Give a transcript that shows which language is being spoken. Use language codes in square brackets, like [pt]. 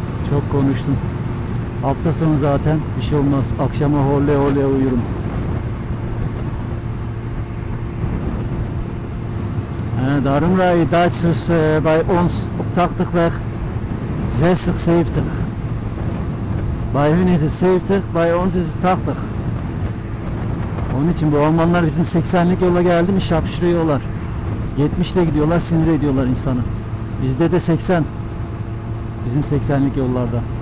[tr] Çok konuştum. Hafta sonu zaten, bir şey olmaz. Akşama horle horle uyurum. [nl] Daarom rijden Duitsers bij ons op 80 weg 60, 70. Bij hun is het 70, bij ons is het 80. [tr] Onun için bu Almanlar bizim 80'lik yola geldi mi şapşırıyorlar. 70'le gidiyorlar, sinir ediyorlar insanı. Bizde de 80. Bizim 80'lik yollarda.